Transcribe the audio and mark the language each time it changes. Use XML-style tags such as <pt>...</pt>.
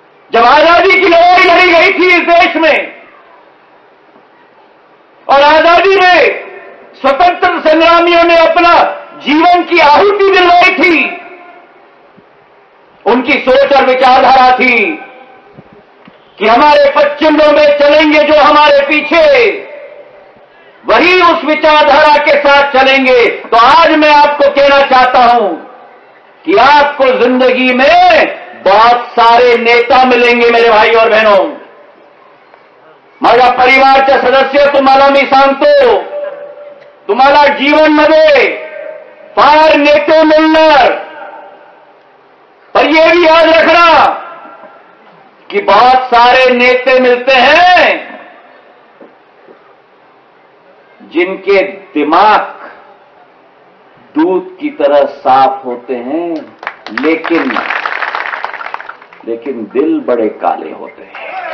<hi>जब आजादी की लड़ाई लड़ी गई थी इस देश में और आजादी में स्वतंत्र संग्रामियों ने अपना जीवन की आहुति दिलवाई थी, उनकी सोच और विचारधारा थी कि हमारे पश्चिमों में चलेंगे जो हमारे पीछे, वही उस विचारधारा के साथ चलेंगे. तो आज मैं आपको कहना चाहता हूं कि आपको जिंदगी में बहुत सारे नेता मिलेंगे मेरे भाई और बहनों.</hi> <mr>माझ्या परिवारच्या सदस्य तुम्हाला मी सांगतो, तुम्हाला जीवन मध्ये फार नेते मिळणार.</mr> <hi>पर ये भी याद रखना कि बहुत सारे नेते मिलते हैं जिनके दिमाग दूध की तरह साफ होते हैं लेकिन दिल बड़े काले होते हैं.</hi>